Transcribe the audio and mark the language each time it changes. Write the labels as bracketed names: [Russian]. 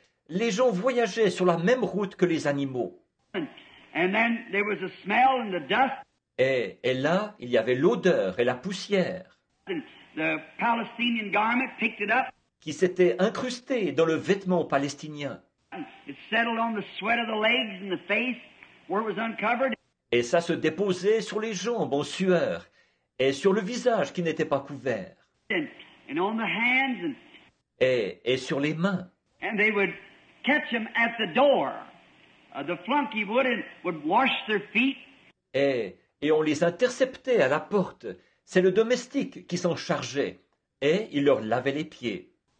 [French] Les gens voyageaient sur la même route que les animaux. [English] And then there was a smell and the dust. [French] Et là, il y avait l'odeur et la poussière. [English] The Palestinian garment picked it up. [French] Qui s'était incrusté dans le vêtement palestinien. [English] It settled on the sweat of the legs and the face where it was uncovered. [French] Et ça se déposait sur les jambes en sueur et sur le visage qui n'était pas couvert. [English] And on the hands and. [French] Et sur les mains. [English] And they would catch him at the door. The flunky would wash their feet. [French] Et on les interceptait à la porte. C'est le domestique qui s'en chargeait et il leur lavait les pieds.